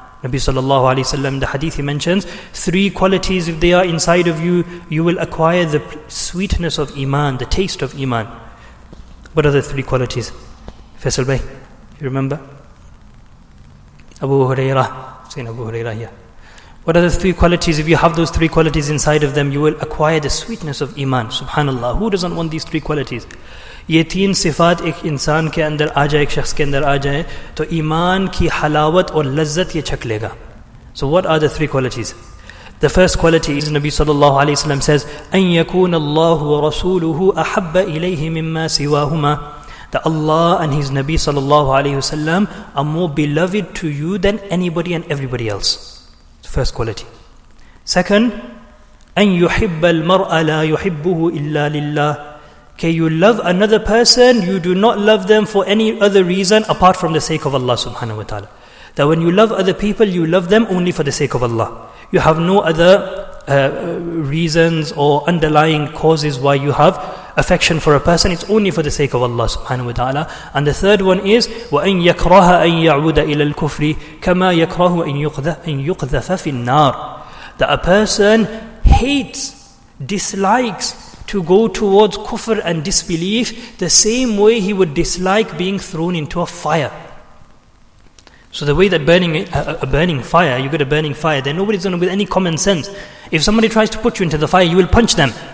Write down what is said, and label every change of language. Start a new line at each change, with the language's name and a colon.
English: Nabi sallallahu alayhi wa sallam, the hadith he mentions, three qualities, if they are inside of you, you will acquire the sweetness of iman, the taste of iman. What are the three qualities? Faisal Bay, you remember? Abu Hurairah, saying Abu Hurairah here. What are the three qualities? If you have those three qualities inside of them, you will acquire the sweetness of iman. Subhanallah, who doesn't want these three qualities?
Urdu: یہ تین صفات ایک انسان کے اندر آ جائے ایک شخص کے اندر آ جائے تو ایمان کی حلاوت اور لذت یہ چکھ لے گا.
English: So what are the three qualities? The first quality is Nabi sallallahu alayhi wa sallam says,
Arabic: أَن يَكُونَ اللَّهُ وَرَسُولُهُ أَحَبَّ إِلَيْهِ مِمَّا سِوَاهُمَا.
English: That Allah and His Nabi sallallahu alayhi wa sallam are more beloved to you than anybody and everybody else. First quality. Second,
Arabic: أَن يُحِبَّ الْمَرْأَ لَا يُحِبُّهُ إِلَّا لِلَّهِ.
English: Okay, you love another person, you do not love them for any other reason apart from the sake of Allah subhanahu wa ta'ala. That when you love other people, you love them only for the sake of Allah. You have no other reasons or underlying causes why you have affection for a person. It's only for the sake of Allah subhanahu wa ta'ala. And the third one is,
Arabic: وَأَنْ يَكْرَهَ أَنْ يَعُودَ إِلَى الْكُفْرِ كَمَا يَكْرَهُ أَنْ يُقْذَفَ فِي النَّارِ.
English: That a person hates, dislikes to go towards kufr and disbelief the same way he would dislike being thrown into a fire. So the way that burning a burning fire, you get a burning fire, then nobody's going to, with any common sense, if somebody tries to put you into the fire, you will punch them.